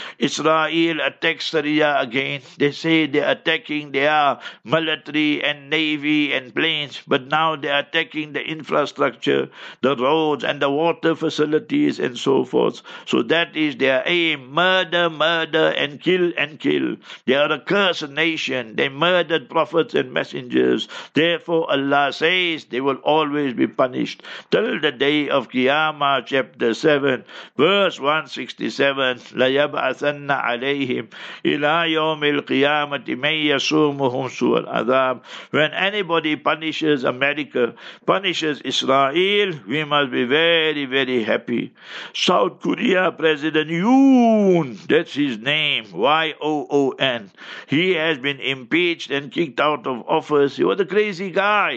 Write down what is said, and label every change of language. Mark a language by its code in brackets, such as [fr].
[en] Israel attacks Syria again. They say they're attacking their military and navy and planes, but now they're attacking the infrastructure, the roads and the water facilities and so forth. So that is their aim, murder, murder, and kill, and kill. They are a cursed nation. They murdered prophets and messengers. Therefore, Allah says they will always be punished. Till the day of Qiyamah, chapter 7, verse 167, [ar] لَيَبْعَثَنَّ عَلَيْهِمْ إِلَىٰ يَوْمِ الْقِيَامَةِ مَنْ يَسُومُهُمْ سُوَ الْعَذَابِ. [en] When anybody punishes America, punishes Israel, we must be very, very happy. South Korea President Yoon, that's his name, Y-O-O-N. He has been impeached and kicked out of office. He was a crazy guy.